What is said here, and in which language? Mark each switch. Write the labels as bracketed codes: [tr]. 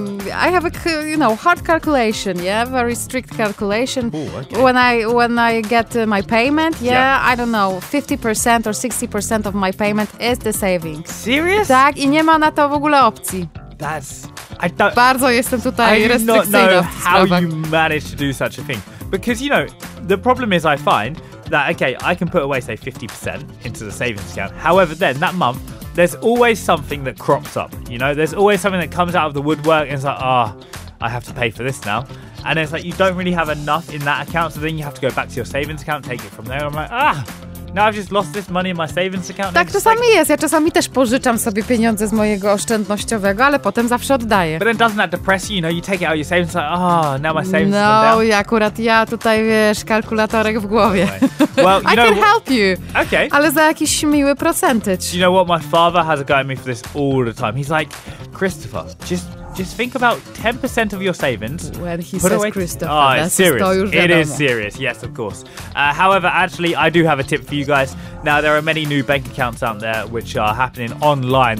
[en] I have a, you know, hard calculation, yeah, very strict calculation. Ooh, okay. When I get my payment, I don't know, 50% or 60% of my payment is the savings. Serious? [pl] Tak, i nie ma na to w ogóle opcji. Bardzo jestem tutaj restrykcyjna. [en] I do not know how you manage to do such a thing. Because, you know, the problem is I find that, okay, I can put away, say, 50% into the savings account. However, then, that month, there's always something that crops up, you know? There's always something that comes out of the woodwork and it's like, ah, I have to pay for this now. And it's like, you don't really have enough in that account, so then you have to go back to your savings account, take it from there. I'm like, ah! Now I've just lost this money in my savings account. [pl] Tak czasami jest. Ja czasami też pożyczam sobie pieniądze z mojego oszczędnościowego, ale potem zawsze oddaję. [en] But then doesn't that depress you? You know, you take it out of your savings, like, oh, now my savings no, down. [pl] No, akurat ja tutaj, wiesz, kalkulatorek w głowie. [en] Right. Well, you I know, can help you. Okay. [pl] Ale za jakiś miły percentage. [en] You know what? My father has a guy at me for this all the time. He's like, Christopher, just think about 10% of your savings. When he says away... Christopher, it's serious. It is serious, yes, of course. However, actually, I do have a tip for you guys. Now, there are many new bank accounts out there which are happening online.